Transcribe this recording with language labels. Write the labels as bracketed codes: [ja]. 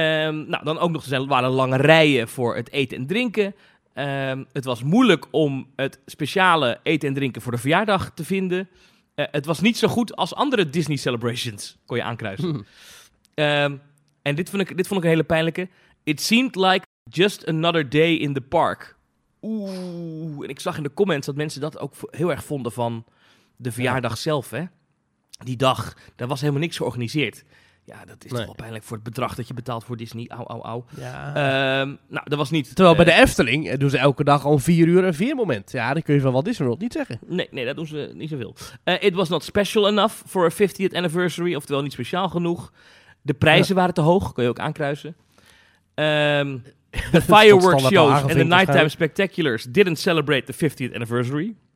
[nl] Nou, dan ook nog waren lange rijen voor het eten en drinken. Het was moeilijk om het speciale eten en drinken voor de verjaardag te vinden. Het was niet zo goed als andere Disney celebrations, kon je aankruisen. En dit vond ik een hele pijnlijke. [en] It seemed like just another day in the park. [nl] Oeh, en ik zag in de comments dat mensen dat ook heel erg vonden van de verjaardag zelf, hè? Die dag, daar was helemaal niks georganiseerd. Ja, dat is toch wel pijnlijk voor het bedrag dat je betaalt voor Disney. Au. Ja. Nou, dat was niet... Terwijl bij de Efteling doen ze elke dag om 4 uur een veermoment. Ja, dat kun je van Walt Disney World niet zeggen. Nee, dat doen ze niet zoveel. [en] It was not special enough for a 50th anniversary. [nl] Oftewel niet speciaal genoeg. De prijzen waren te hoog, kon je ook aankruisen. [en] De fireworks shows en de nighttime spectaculars didn't celebrate the 50th anniversary.